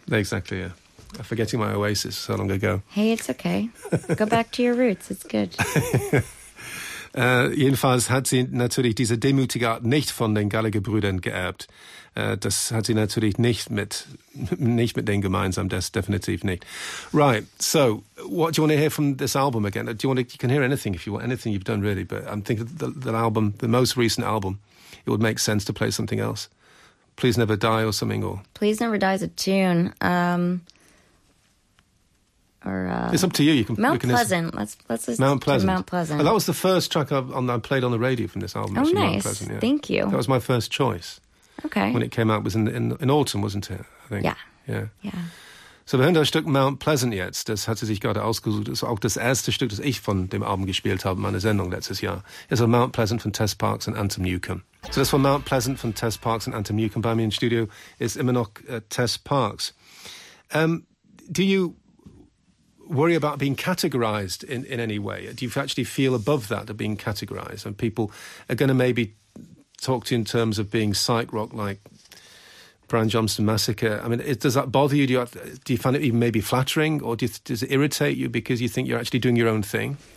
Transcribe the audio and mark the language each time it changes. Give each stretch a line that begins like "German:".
English: Exactly, yeah. I'm forgetting my Oasis so long ago. Hey, it's okay. Go back to your roots. It's good.
German: Jedenfalls hat sie natürlich diese demütige Art nicht von den Gallagher-Brüdern geerbt. Das hat sie natürlich nicht mit denen gemeinsam, das definitiv nicht.
English: Right, so, what do you want to hear from this album again? Do you want to, you can hear anything if you want, anything you've done really, but I'm thinking the album, the most recent album, it would make sense to play something else. Please Never Die or something, or... Please Never Die is a tune. It's up to you. You can Mount Pleasant. Let's Mount Pleasant. Mount Pleasant. Oh, that was the first track I played on the radio from this album. Oh, actually, nice. Mount Pleasant, yeah. Thank you. That was my first choice. Okay. When it came out, it was in autumn, wasn't it? I think. Yeah. Yeah. Yeah.
German: So, wir hören das Stück Mount Pleasant jetzt. Das hat sie sich gerade ausgesucht. Das ist auch das erste Stück, das ich von dem Album gespielt habe in meiner Sendung letztes Jahr. Also Mount Pleasant von Tess Parks und Anthony Newcomb. So, das von Mount Pleasant von Tess Parks und Anthony Newcomb bei mir im Studio ist immer noch Tess Parks.
English: Do you worry about being categorized in any way? Do you actually feel above that, of being categorized? And people are going to maybe talk to you in terms of being psych rock, like Brian Johnston Massacre. I mean, does that bother you? Do you find it even maybe flattering? Or does it irritate you because you think you're actually doing your own thing?